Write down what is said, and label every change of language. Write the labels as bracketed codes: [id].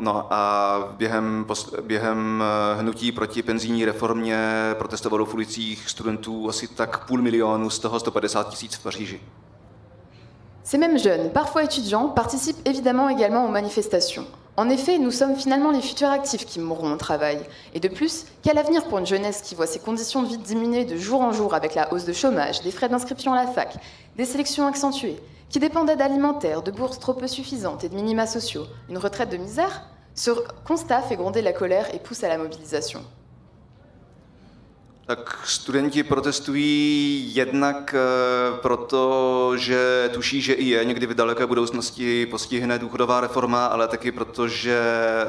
[cs] a během hnutí proti penzijní reformě protestovalo v ulicích studentů asi tak 500 000, z toho 150 tisíc v Paříži. [fr] Ces mêmes jeunes, parfois étudiants, participent évidemment également aux manifestations. En effet, nous sommes finalement les futurs actifs qui mourront au travail. Et de plus, quel avenir pour une jeunesse qui voit ses conditions de vie diminuer de jour en jour avec la hausse de chômage, des frais d'inscription à la fac, des sélections accentuées, qui dépend d'aides alimentaires, de bourses trop peu suffisantes et de minima sociaux, une retraite de misère? Ce constat fait gronder la colère et pousse à la mobilisation. [cs] Tak studenti protestují jednak proto, že tuší, že i je někdy v daleké budoucnosti postihne důchodová reforma, ale taky proto, že